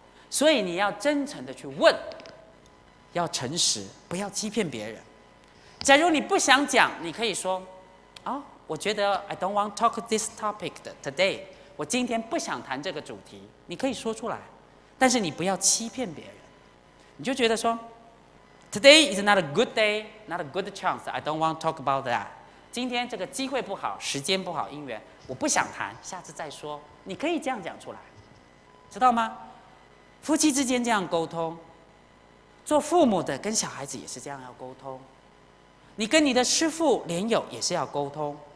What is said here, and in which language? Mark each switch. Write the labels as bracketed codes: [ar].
[zh] 所以你要真诚的去问，要诚实，不要欺骗别人。假如你不想讲，你可以说，啊、哦，我觉得 I don't want to talk this topic today，我今天不想谈这个主题。你可以说出来，但是你不要欺骗别人。 [en] 你就觉得说 ，Today is not a good day, not a good chance. I don't want to talk about that。 [zh] 今天这个机会不好，时间不好，因缘，我不想谈，下次再说。你可以这样讲出来，知道吗？夫妻之间这样沟通，做父母的跟小孩子也是这样要沟通，你跟你的师父莲友也是要沟通。